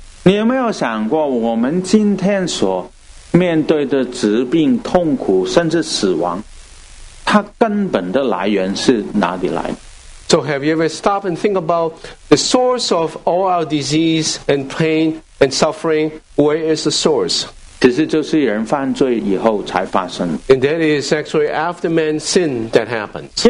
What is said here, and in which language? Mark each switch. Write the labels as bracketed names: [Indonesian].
[Chinese] 你有没有想过我们今天所面对的疾病、痛苦、甚至死亡，它根本的来源是哪里来的？ [English] So have you ever stopped and think about the source of all our disease and pain and suffering? Where is the source? [Chinese] 其实就是人犯罪以后才发生。 [English] And that is actually after man's sin that happens.